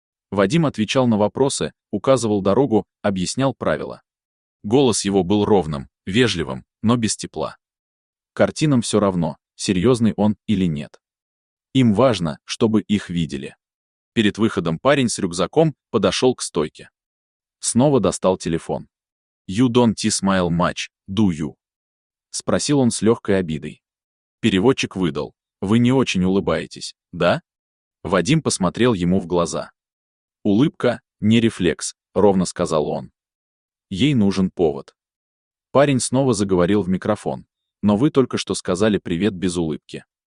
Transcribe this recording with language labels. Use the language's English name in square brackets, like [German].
[Russian] Вадим отвечал на вопросы, указывал дорогу, объяснял правила. Голос его был ровным, вежливым, но без тепла. Картинам все равно, серьезный он или нет. Им важно, чтобы их видели. Перед выходом парень с рюкзаком подошел к стойке. Снова достал телефон. [English] «You don't smile much, do you?» — [Russian] спросил он с легкой обидой. Переводчик выдал: «Вы не очень улыбаетесь, да?» Вадим посмотрел ему в глаза. «Улыбка — не рефлекс», — ровно сказал он. «Ей нужен повод». Парень снова заговорил в микрофон: «Но вы только что сказали привет без улыбки.